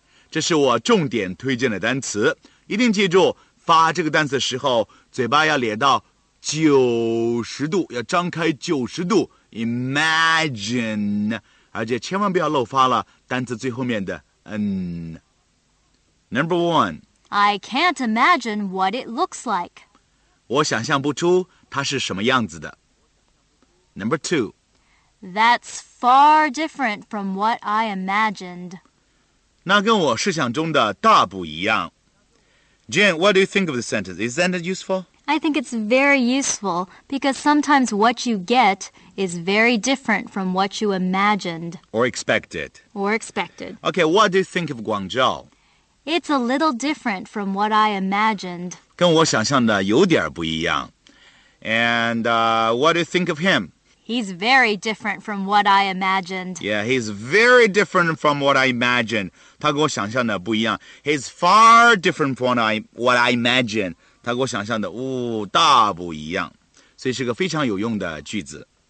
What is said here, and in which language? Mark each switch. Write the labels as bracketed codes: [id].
[zh] 这是我重点推荐的单词。一定记住，发这个单词的时候，嘴巴要咧到90度，要张开90度。 [en] Imagine. [zh] 而且千万不要漏发了单词最后面的 N. [en] Number one. I can't imagine what it looks like. [zh] 我想象不出它是什么样子的。 [en] Number two. That's far different from what I imagined. [zh] 那跟我设想中的大不一样。 [en] Jen, what do you think of the sentence? Is that useful? I think it's very useful because sometimes what you get is very different from what you imagined. Or expected. Okay, what do you think of Guangzhou? It's a little different from what I imagined. [zh] 跟我想象的有点不一样。 [en] And what do you think of him? He's very different from what I imagined. Yeah, he's very different from what I imagined. [zh] 他跟我想象的不一样。 [en] He's far different from what I imagined. [zh] 他跟我想象的大不一样。所以是个非常有用的句子。